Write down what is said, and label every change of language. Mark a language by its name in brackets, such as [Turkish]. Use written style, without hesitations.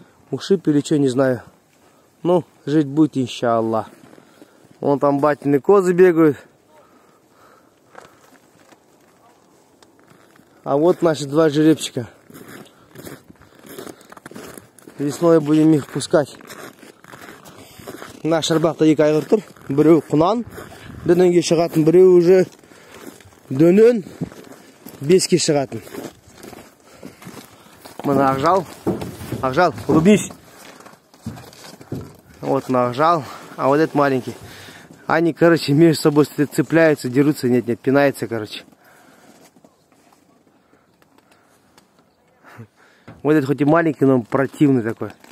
[Russian] Ушиб или что, не знаю. Ну, жить будет, иншаллах. Вон там батины козы бегают. А вот наши два жеребчика. Весной будем их пускать. [Kazakh] Наш арбақта екі айғыр тұр, біреу құнан, дөненге шығатын, біреу уже дөнен беске шығатын. Мына ақжал, ақжал, [Russian] улыбись. Вот [Kazakh] мына [Russian] ақжал, а вот этот маленький. Они, короче, между собой цепляются, дерутся, нет-нет, пинаются, короче. Вот этот хоть и маленький, но противный такой.